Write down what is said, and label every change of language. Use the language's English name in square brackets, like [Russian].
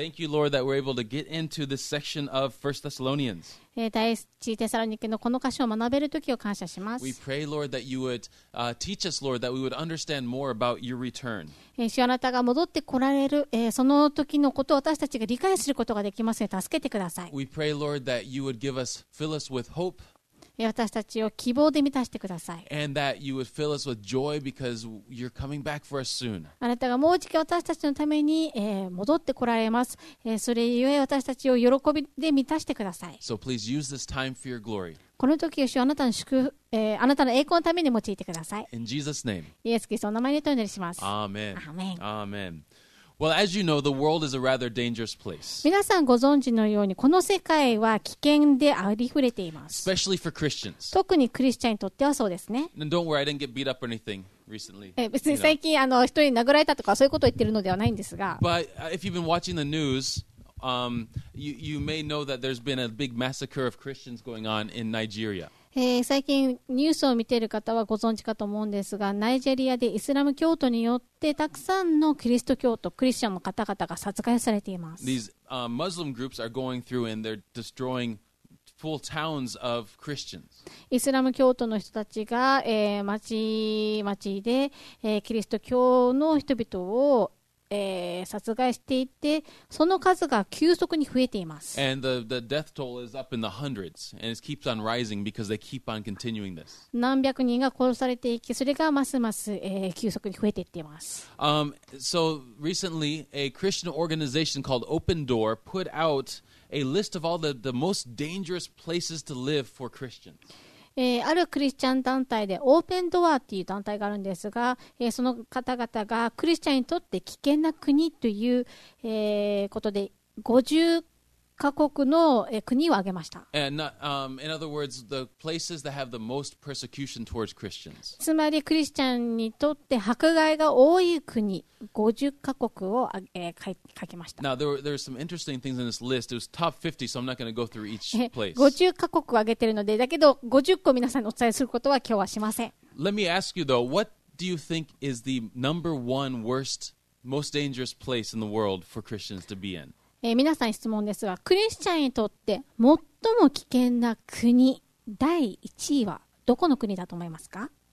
[English] Thank you, Lord, that we're able to get into this section of 1 Thessalonians. [Japanese] 第一テサロニケのこの箇所を学べるときを感謝します。 [English] We pray, Lord, that you would teach us, Lord, that we would understand more about your return. [Japanese] 主あなたが戻ってこられる、その時のことを私たちが理解することができますように助けてください。 [English] We pray, Lord, that you would give us, fill us with hope. [Japanese] 私たちを希望で満たしてください。 [English] And that you would fill us with joy because you're coming back for us soon. [Japanese] あなたがもうじき私たちのために、戻ってこられます。それゆえ私たちを喜びで満たしてください。 [English] So please use this time for your glory. [Japanese] この時を主あなたの祝福、あなたの栄光のために用いてください。 [English] In Jesus' name. [Japanese] イエス・キリストの名前にお祈りします。 [English] Amen. Amen. Amen. Well, as you know, the world is a rather dangerous place. [Japanese] 皆さんご存知のように、この世界は危険でありふれています。 [English] Especially for Christians. [Japanese] 特にクリスチャンにとってはそうですね。 [English] And don't worry, I didn't get beat up or anything recently. [Japanese] 別に最近、人に殴られたとかそういうことを言ってるのではないんですが。 [English] But if you've been watching the news, you may know that there's been a big massacre of Christians going on in Nigeria. [Japanese] 最近ニュースを見ている方はご存知かと思うんですが、ナイジェリアでイスラム教徒によってたくさんのキリスト教徒、クリスチャンの方々が殺害されています。 [English] These Muslim groups are going through and they're destroying full towns of Christians. [Japanese] イスラム教徒の人たちが、町々で、キリスト教の人々を殺害していて、その数が急速に増えています。 [English] And the death toll is up in the hundreds, and it keeps on rising because they keep on continuing this. [Japanese] 何百人が殺されていき、それがますます、急速に増えていっています。 [English] So recently, a Christian organization called Open Door put out a list of all the most dangerous places to live for Christians. [Japanese] あるクリスチャン団体でオープンドアという団体があるんですが、その方々がクリスチャンにとって危険な国という、ことで50カ国の、国を挙げました。 [English] In other words, the places that have the most persecution towards Christians. [Japanese] つまりクリスチャンにとって迫害が多い国50カ国を、書きました。 [English] Now there are some interesting things in this list. It was top 50, so I'm not going to go through each place. [Japanese] 50カ国を挙げているので、だけど50個皆さんにお伝えすることは今日はしません。 [English] Let me ask you though, what do you think is the number one worst, most dangerous place in the world for Christians to be in? [Japanese] 皆さん質問ですが、クリスチャンにとって最も危険な国第1位はどこの国だと思いますか？